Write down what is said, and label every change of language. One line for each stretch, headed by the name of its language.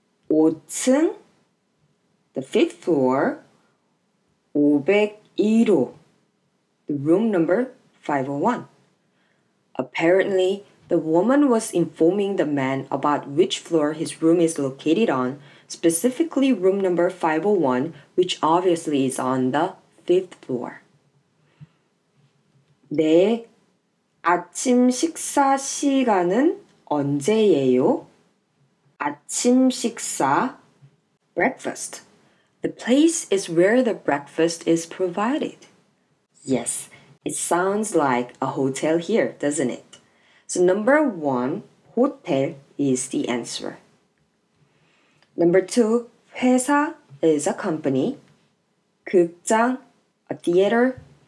English: 5층, the fifth floor, 501호, the room number 501. Apparently, the woman was informing the man about which floor his room is located on, specifically room number 501, which obviously is on the fifth floor.
Korean: 네. 아침 식사 시간은 언제예요? 아침 식사, breakfast.
English: The place is where the breakfast is provided. Yes, it sounds like a hotel here, doesn't it? So number one, hotel is the answer. Number two, 회사 is a company. 극장, a theater.